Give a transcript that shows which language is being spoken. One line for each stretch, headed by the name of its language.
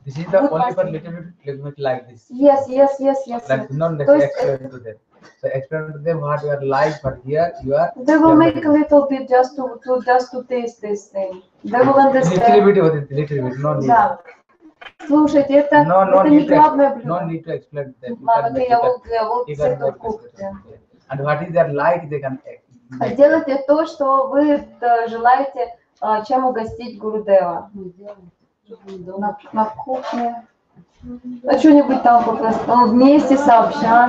English: This is the only for little bit like this. Yes. Like, not necessary to them. So explain to them what you are like, but here you are. They will make a little bit just to taste this thing. They will understand. Little bit, no need.
Russian: Слушайте, это не главное блюдо.
English: No need to explain to them. And what is their like, they can take.
Russian: Делайте то, что вы желаете, чем угостить Гурудева. На кухне. А что-нибудь там просто вместе сообща.